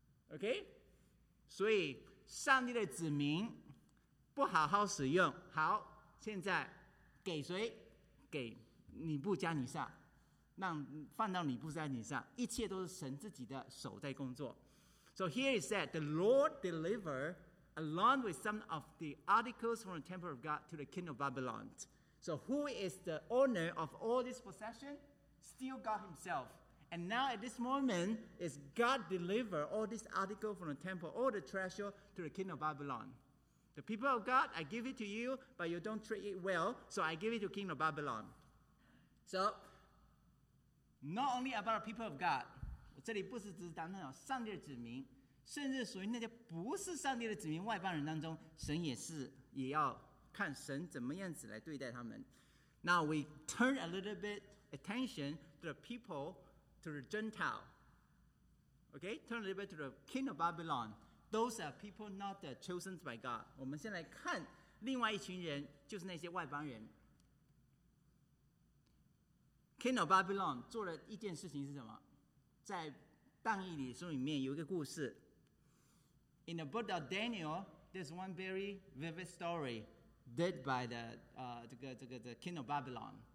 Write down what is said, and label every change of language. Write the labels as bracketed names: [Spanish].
[Chinese] OK， 所以上帝的子民不好好使用，好，现在给谁？给尼布加尼撒，让放到尼布加尼撒，一切都是神自己的手在工作。 [English] So here it said, the Lord delivered along with some of the articles from the temple of God to the king of Babylon. So who is the owner of all this possession? Still God himself. And now at this moment, is God deliver all this article from the temple, all the treasure to the king of Babylon. The people of God, I give it to you, but you don't treat it well, so I give it to the king of Babylon. So, not only about the people of God, [Chinese] 这里不是只是单单有上帝的子民，甚至属于那些不是上帝的子民外邦人当中，神也是也要看神怎么样子来对待他们。 [English] Now we turn a little bit attention to the people, to the Gentile. Okay, turn a little bit to the king of Babylon. Those are people not the chosen by God. [Chinese] 我们先来看另外一群人，就是那些外邦人。 King of Babylon 做了一件事情是什么？在但以理书里面有一个故事。 [English] In the book of Daniel, there's one very vivid story did by the king of Babylon.